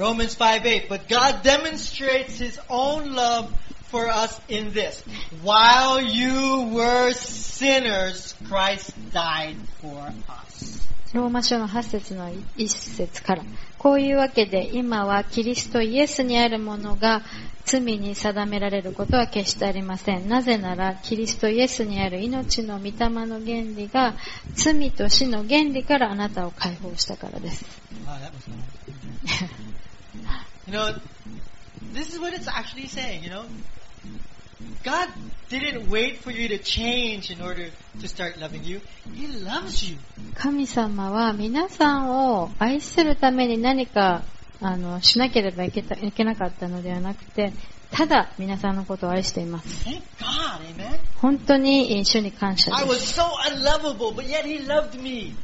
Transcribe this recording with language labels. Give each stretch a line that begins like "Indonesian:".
English: Romans 5:8, but God demonstrates His own love for us in this: while you were sinners, Christ died for us.
Japanese: ローマ書の8節の1節から。こういうわけで、今はキリストイエスにあるものが罪に定められることは決してありません。なぜなら、キリストイエスにある命の御霊の原理が罪と死の原理からあなたを解放したからです。
English: You know, this is what it's actually saying, you know? God didn't wait for you to change in order to start loving you. He loves you.
Japanese: 神様は皆さんを愛するために何かしなければいけなかったのではなくて、ただ皆さんのことを愛しています。
English: Thank God, amen.
Japanese: 本当に主に感謝です。
English: I was so unlovable, but yet he loved me.